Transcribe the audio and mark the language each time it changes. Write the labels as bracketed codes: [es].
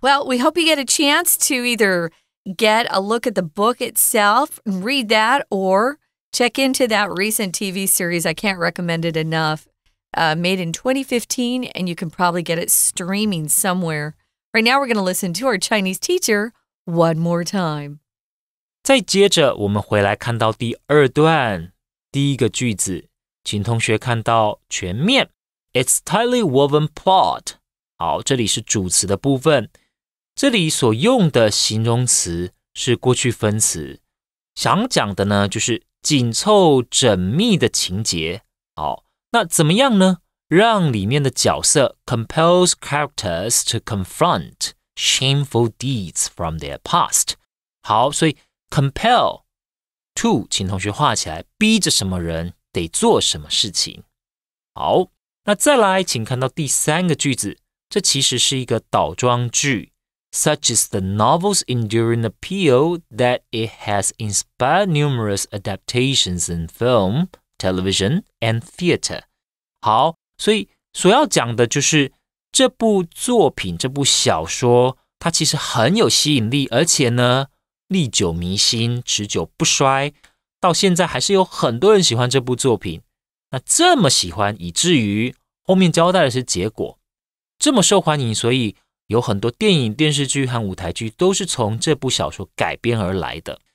[en] Well, we hope you get a chance to either get a look at the book itself and read that or check into that recent TV series. I can't recommend it enough. Made in 2015, and you can probably get it streaming somewhere. Right now, we're going to listen to our Chinese teacher one more time. [zh] 再接着，我们回来看到第二段，第一个句子，请同学看到全面。 [en] It's tightly woven plot. [zh] 好，这里是主词的部分。这里所用的形容词是过去分词。想讲的呢，就是紧凑缜密的情节。好，那怎么样呢？让里面的角色 [en] compels characters to confront shameful deeds from their past. [zh] 好，所以 compel to 请同学画起来，逼着什么人得做什么事情。好。那再来请看到第三个句子，这其实是一个倒装句。 [en] Such is the novel's enduring appeal that it has inspired numerous adaptations in film, television, and theater. [zh] 好，所以所要讲的就是这部作品，这部小说，它其实很有吸引力，而且呢，历久弥新，持久不衰，到现在还是有很多人喜欢这部作品。那这么喜欢，以至于后面交代的是结果，这么受欢迎，所以有很多电影、电视剧和舞台剧都是从这部小说改编而来的。